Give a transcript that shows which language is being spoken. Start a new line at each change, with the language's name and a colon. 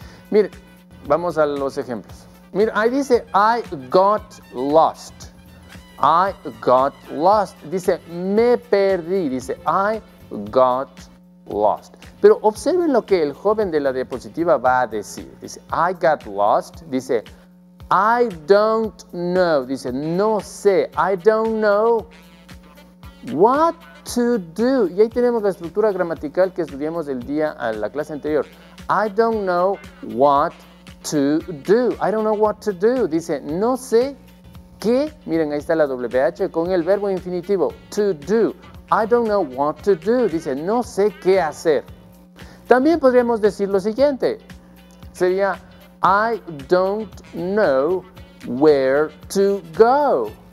Spanish: Mire, vamos a los ejemplos. Mire, ahí dice,
English: I got lost. I got lost.
Spanish: Dice, me perdí. Dice,
English: I got lost.
Spanish: Pero observen lo que el joven de la diapositiva va a decir. Dice,
English: I got lost. Dice, I don't know,
Spanish: dice, no sé,
English: I don't know what to do.
Spanish: Y ahí tenemos la estructura gramatical que estudiamos el día a la clase anterior.
English: I don't know what to do, I don't know what to do,
Spanish: dice, no sé qué. Miren, ahí está la WH con el verbo infinitivo,
English: to do. I don't know what to do,
Spanish: dice, no sé qué hacer. También podríamos decir lo siguiente, sería,
English: I don't know where to go.